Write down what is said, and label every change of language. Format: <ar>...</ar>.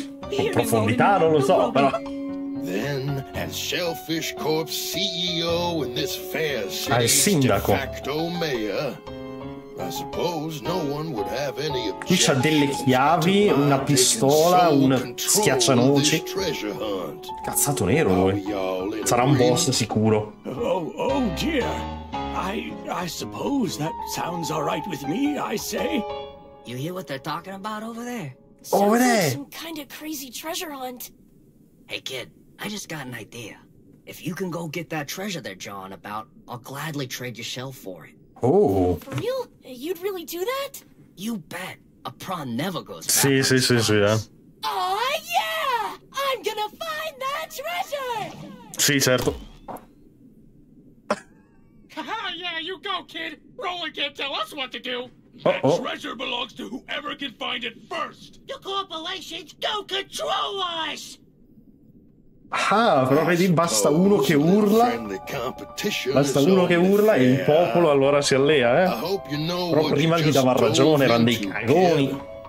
<it>In profondità, non lo so, però.</it> <en>Then, as Shellfish Corp's CEO in this fair city's de facto mayor, I suppose no one would have any objection.</en> <it>Qui c'ha delle chiavi, una pistola, un schiaccianoci. Cazzato nero lui. Sarà un boss sicuro.</it> <en>Oh dear. I suppose that sounds all right with me, I say. You hear what they're talking about over there? Over there. Some kind of crazy treasure hunt. Hey kid, I just got an idea. If you can go get that treasure they're jawing about, I'll gladly trade your shell for it. Oh. For real? You'd really do that? You bet. A prawn never goes back.</en> <it>Sì, yeah.</it> <en>Oh, yeah! I'm gonna find that treasure!</en> <it>Sì, certo.</it> <en>Yeah, you go, kid. Roland can't tell us what to do. Uh-oh. That treasure belongs to whoever can find it first. The corporations don't control us!</en> <it>Ah, però vedi, basta uno che urla. Basta uno che urla e il popolo allora si allea, eh. Però prima gli dava ragione, erano dei cagoni.</it>